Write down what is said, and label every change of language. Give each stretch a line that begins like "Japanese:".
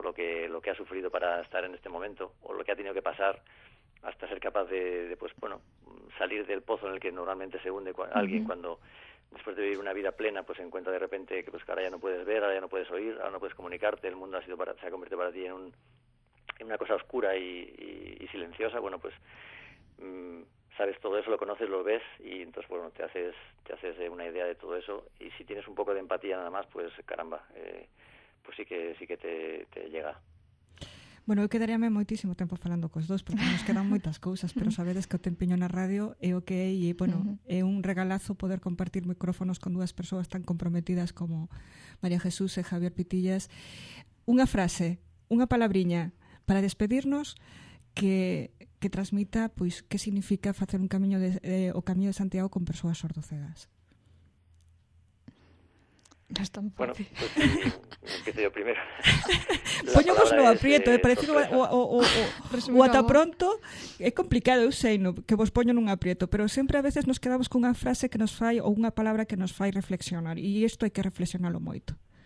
Spanish: lo que ha sufrido para estar en este momento, o lo que ha tenido que pasar hasta ser capaz de pues bueno, salir del pozo en el que normalmente se hunde alguien cuando después de vivir una vida plena pues se encuentra de repente que pues ahora ya no puedes ver, ahora ya no puedes oír, ahora no puedes comunicarte, el mundo se ha convertido para ti en una cosa oscura y silenciosa. Bueno, pues sabes todo eso, lo conoces, lo ves, y entonces, bueno, te haces una idea de todo eso, y si tienes un poco de empatía nada más, pues caramba, pues sí que te llega.
Galician: Bueno, eu quedaríame moitísimo tempo falando cos dos, porque nos quedan moitas cousas, pero sabedes que o tempiño na radio é o que é, e, bueno, é un regalazo poder compartir micrófonos con dúas persoas tan comprometidas como María Jesús e Javier Pitillas. Unha frase, unha palabriña para despedirnos, que transmita pois que significa facer un camiño de o Camiño de Santiago con persoas sordocegas.
Spanish: No es tan fácil. Bueno, pues empiezo yo primero.
Galician: Poñamos no aprieto, parece que o ata pronto é complicado, eu sei, no, que vos poño nun aprieto, pero sempre a veces nos quedamos con unha frase que nos fai ou unha palabra que nos fai reflexionar, e isto hai que reflexionalo moito.